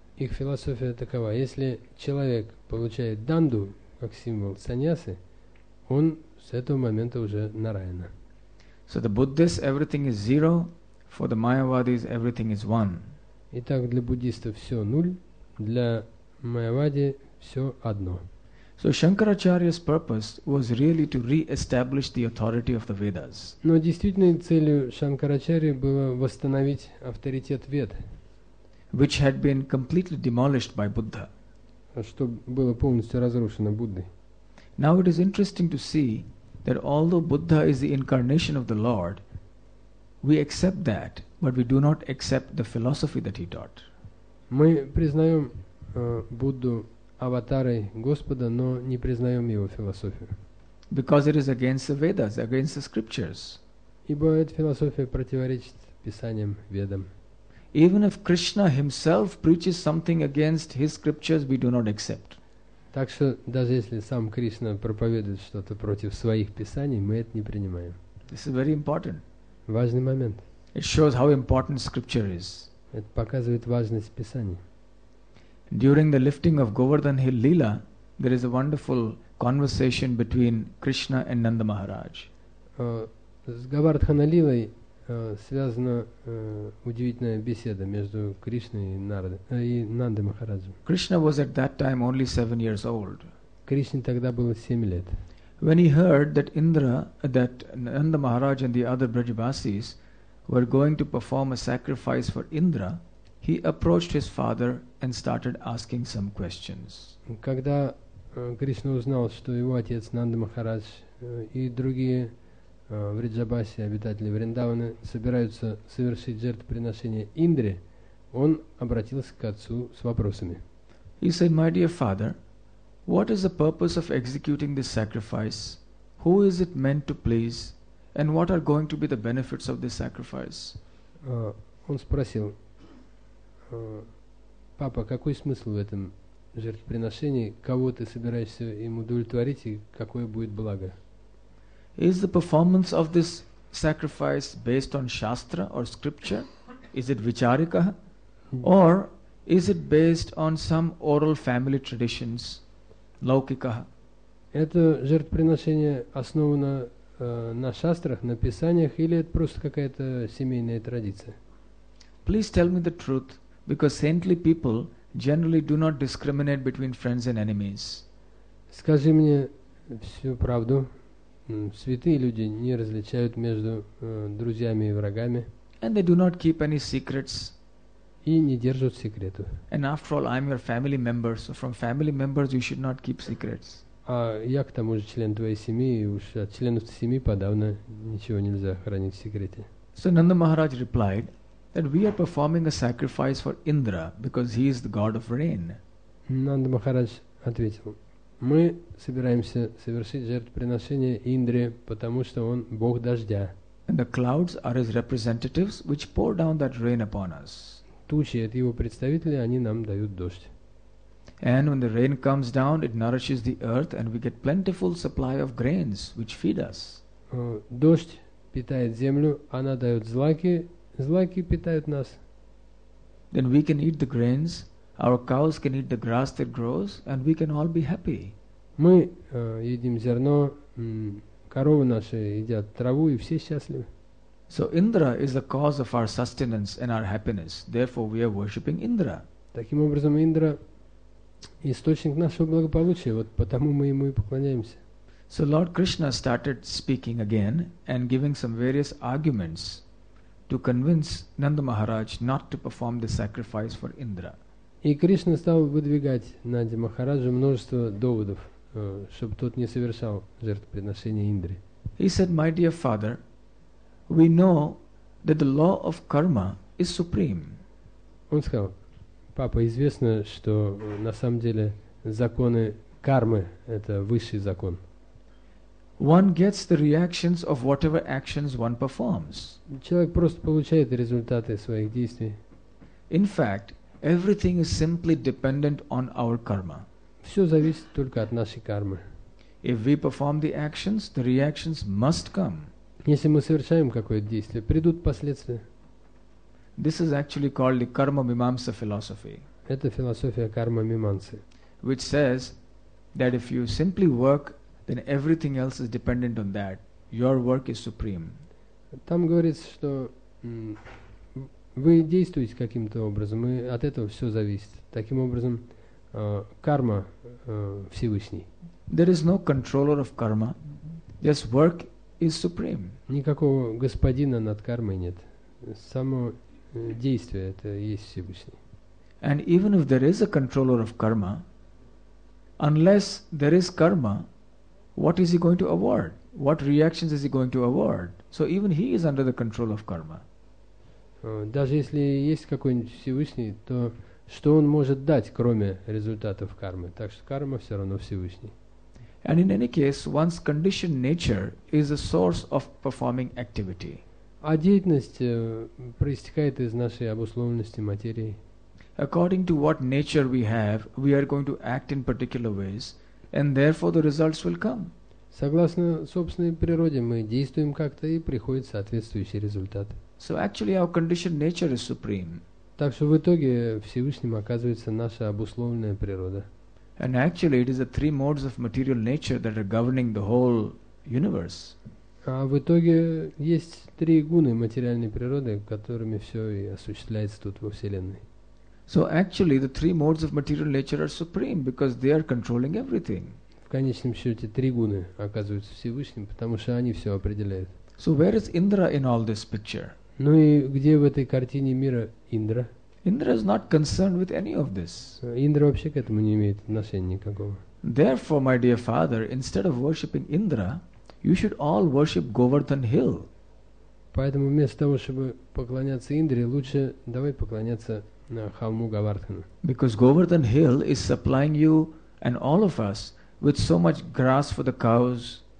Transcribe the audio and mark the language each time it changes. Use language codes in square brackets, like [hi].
[ru] Их философия такова. Если человек получает данду, как символ саньясы, он с этого момента уже Нараяна. [en] So the Buddhists everything is zero, for the Mayavadis everything is one. [ru] Итак, для буддистов все нуль, для Майавади все одно. [en] So Shankaracharya's purpose was really to re-establish the authority of the Vedas. [ru] Но действительной целью Шанкарачарьи было восстановить авторитет Вед, [en] which had been completely demolished by Buddha. [ru] Что было полностью разрушено Буддой. [en] Now it is interesting to see that although Buddha is the incarnation of the Lord, we accept that, but we do not accept the philosophy that he taught. [ru] Мы признаем Будду аватарой Господа, но не признаем его философию. [en] Because it is against the Vedas, against the scriptures. [ru] Ибо эта философия противоречит писаниям Ведам. [en] Even if Krishna himself preaches something against his scriptures, we do not accept. [ru] Так что даже если сам Кришна проповедует что-то против своих писаний, мы это не принимаем. [en] This is very important. [ru] Важный момент. [en] It shows how important scripture is. [ru] Это показывает важность писаний. [en] During the lifting of Govardhan Hill Leela, there is a wonderful conversation between Krishna and Nanda Maharaj. [ru] С Гавардхана Лилой связана удивительная беседа между Кришной и Нандой Махараджем. [en] Krishna was at that time only 7 years old. [ru] Кришне тогда было 7 лет. [en] When he heard that Indra, that Nanda Maharaj and the other Brajavasis were going to perform a sacrifice for Indra, he approached his father and started asking some questions. [ru] Когда Кришна узнал, что его отец Нанда Махарадж и другие Вриджабаси, обитатели Вриндаваны, собираются совершить жертвоприношение Индре, он обратился к отцу с вопросами. [en] He said, "My dear father, what is the purpose of executing this sacrifice? Who is it meant to please? And what are going to be the benefits of this sacrifice?" [ru] Он спросил, папа, какой смысл в этом жертвоприношении? Кого ты собираешься им удовлетворить и какое будет благо? [en] Is the performance of this sacrifice based on Shastra or scripture? Is it Vicharika? Or is it based on some oral family traditions? Laukikaha. [ru] Это жертвоприношение основано на шастрах, на писаниях, или это просто какая-то семейная традиция? [en] Please tell me the truth, because saintly people generally do not discriminate between friends and enemies. [ru] Скажи мне всю правду. Святые люди не различают между друзьями и врагами. [en] And they do not keep any secrets. [ru] И не держат секретов. [en] And after all, I'm your family member, so from family members you should not keep secrets. [ru] А я к тому же член твоей семьи, и уж от членов семьи подавно ничего нельзя хранить в секрете. [en] So Nanda Maharaj replied that we are performing a sacrifice for Indra because he is the god of rain. [ru] Нанда Махарадж ответил: мы собираемся совершить жертвоприношение Индре, потому что он бог дождя. [en] And the clouds are his representatives, which pour down that rain upon us. [ru] Тучи — это его представители, они нам дают дождь. [en] And when the rain comes down, it nourishes the earth, and we get plentiful supply of grains, which feed us. [ru] Дождь питает землю, она дает злаки, злаки питают нас. [en] Then we can eat the grains. Our cows can eat the grass that grows, and we can all be happy. [ru] Мы едим зерно, коровы наши едят траву, и все счастливы. [en] So Indra is the cause of our sustenance and our happiness. Therefore, we are worshipping Indra. [ru] Таким образом, Индра источник нашего благополучия. Вот потому мы ему и поклоняемся. [en] So Lord Krishna started speaking again and giving some various arguments to convince Nanda Maharaj not to perform the sacrifice for Indra. [ru] И Кришна стал выдвигать Нанде Махараджу множество доводов, чтобы тот не совершал жертвоприношение Индре. [en] He said, "My dear father, we know that the law of karma is supreme." [ru] Он сказал: папа, известно, что на самом деле законы кармы — это высший закон. [en] One gets the reactions of whatever actions one performs. [ru] Человек просто получает результаты своих действий. [en] In fact, everything is simply dependent on our karma. [ru] Все зависит только от нашей кармы. [en] If we perform the actions, the reactions must come. [ru] Если мы совершаем какое-то действие, придут последствия. [en] This is actually called the Karma Mimamsa philosophy. [ru] Это философия карма мимамсы. [en] Which says that if you simply work, then everything else is dependent on that. Your work is supreme. [ru] Там говорится, что вы действуете каким-то образом, и от этого все зависит. Таким образом, карма Всевышний. [en] There is no controller of karma. Just work is supreme. [ru] Никакого господина над кармой нет. Само действие — это и есть Всевышний. [en] And even if there is a controller of karma, unless there is karma, what is he going to award? What reactions is he going to award? So even he is under the control of karma. [ru] Даже если есть какой-нибудь Всевышний, то что он может дать, кроме результатов кармы? Так что карма все равно Всевышний. [en] And in any case, one's conditioned nature is a source of performing activity. [ru] А деятельность проистекает из нашей обусловленности материи. [en] According to what nature we have, we are going to act in particular ways, and therefore the results will come. [ru] Согласно собственной природе, мы действуем как-то, и приходит соответствующий результат. [en] So actually our conditioned nature is supreme. [ru] Так что в итоге Всевышним оказывается наша обусловленная природа. [en] And actually it is the three modes of material nature that are governing the whole universe. [ru] А в итоге есть три гуны материальной природы, которыми все и осуществляется тут во Вселенной. [en] So actually the three modes of material nature are supreme because they are controlling everything. [ru] В конечном счете три гуны оказываются Всевышним, потому что они все определяют. [en] So where is Indra in all this picture? [ru] Ну и где в этой картине мира Индра? [en] Indra is not concerned with any of this. [ru] Индра вообще к этому не имеет отношения никакого. [en] Therefore, my dear father, instead of worshipping Indra, you should all worship Govardhan Hill. [ru] Поэтому вместо того, чтобы поклоняться Индре, лучше давай поклоняться холму Говардхану. [en] Because Govardhan Hill is supplying you and all of us with so much grass for the cows.